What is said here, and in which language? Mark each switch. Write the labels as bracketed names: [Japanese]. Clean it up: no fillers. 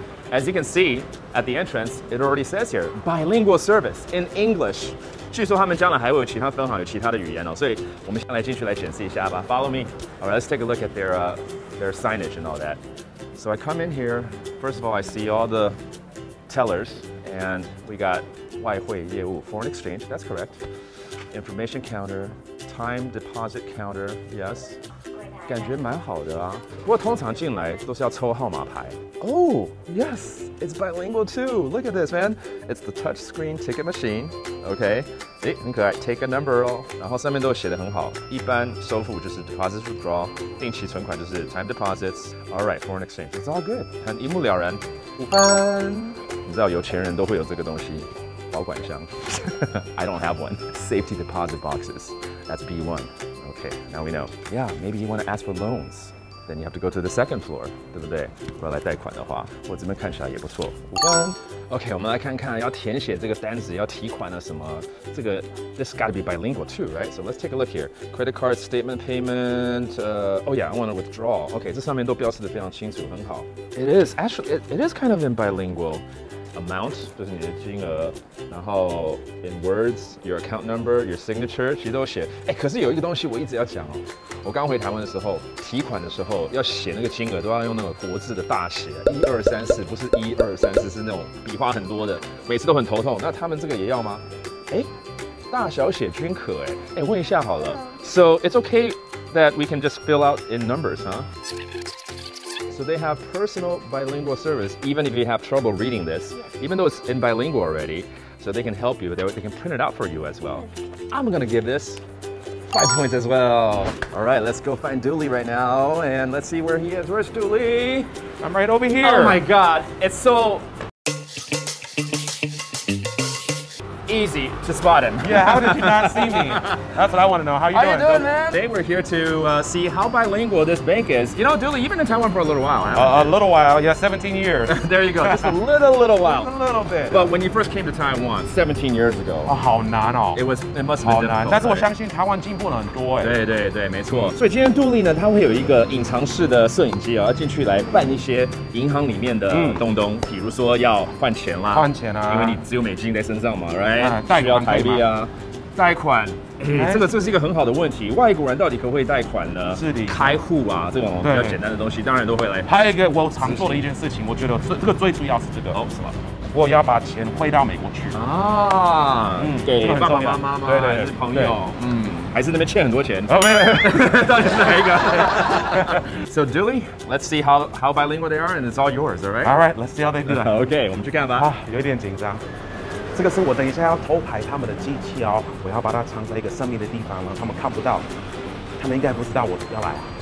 [English] As you can see at the entrance, it already says here, bilingual service in English. [Chinese] 据说他们将来还会有其他分行有其他的语言哦，所以我们先来进去来检视一下吧。 [English] Follow me. All right, let's take a look at their signage and all that. So I come in here, first of all, I see all the tellers, and we got 外汇业务, foreign exchange, that's correct. Information counter, time deposit counter, yes. [Chinese] 感觉蛮好的啊。不过通常进来都是要抽号码牌。 [English] Oh, yes, it's bilingual too. Look at this, man. It's the touch screen ticket machine. Okay, [Chinese] 诶，很可爱 [English] take a number 哦。 [Chinese] 然后上面都写得很好。一般收付就是 [English] deposit withdraw, [Chinese] 定期存款就是 [English] time deposits. All right, foreign exchange. It's all good. [Chinese] 很一目了然。五分。你知道有钱人都会有这个东西。保管箱。 [English] I don't have one. Safety deposit boxes. That's B1. Okay, now we know. Yeah, maybe you want to ask for loans. Then you have to go to the second floor, [Chinese] 对不对？如果来贷款的话，我这边看起来也不错，五分。OK， 我们来看看要填写这个单子，要提款啊什么。这个 [English] this got to be bilingual too, right? So let's take a look here. Credit card statement payment. Oh yeah, I want to withdraw. [Chinese] OK， 这上面都标示得非常清楚，很好。 [English] It is actually it is kind of in bilingual amount, [Chinese] 就是你的金额，然后 [English] in words, your account number, your signature, [Chinese] 其实都写。哎，可是有一个东西我一直要讲哦。我刚回台湾的时候，提款的时候要写那个金额，都要用那个国字的大写，一二三四，不是一二三四，是那种笔画很多的，每次都很头痛。那他们这个也要吗？哎，大小写均可哎。哎，问一下好了。 [English] So it's okay that we can just fill out in numbers, huh? So they have personal bilingual service. Even if you have trouble reading this, even though it's in bilingual already, so they can help you. They can print it out for you as well. I'm gonna give this. 5 points as well. All right, let's go find Dooley right now and let's see where he is. Where's Dooley? I'm right over here. Oh my God, it's so easy to spot him. Yeah, how did you not see me? That's what I want to know. How are you doing? How are you doing, man? Today we're here to see how bilingual this bank is. You know, Dooley, you've been in Taiwan for a little while, haven't you? A little while, yeah, 17 years. There you go, just a little while. Just a little bit. But when you first came to Taiwan, 17 years ago. [Chinese] Oh, 好难哦。 [English] It must have been difficult. [Chinese] 但是我相信台湾进步了很多耶。对对对，没错。所以今天 Dooley 呢，他会有一个隐藏式的摄影机哦，要进去来办一些银行里面的东东，比如说要换钱啦。换钱啊。因为你只有美金在身上嘛， right? 贷款可以吗？贷款，这是一个很好的问题。外国人到底可不可以贷款呢？是的，开户啊，这种比较简单的东西，当然都会来。还有一个我常做的一件事情，我觉得这个最主要是这个哦，什么？我要把钱汇到美国去啊，给爸爸妈妈吗？对对，还是朋友？还是那边欠很多钱？哦，没有，到底是哪一个？ [English] So Dooley, let's see how bilingual they are, and it's all yours, all right? All right, let's see how they do. [Chinese] OK, 我们去看吧。有点紧张。这个是我等一下要偷拍他们的机器哦，我要把它藏在一个神秘的地方，让他们看不到。他们应该不知道我要来。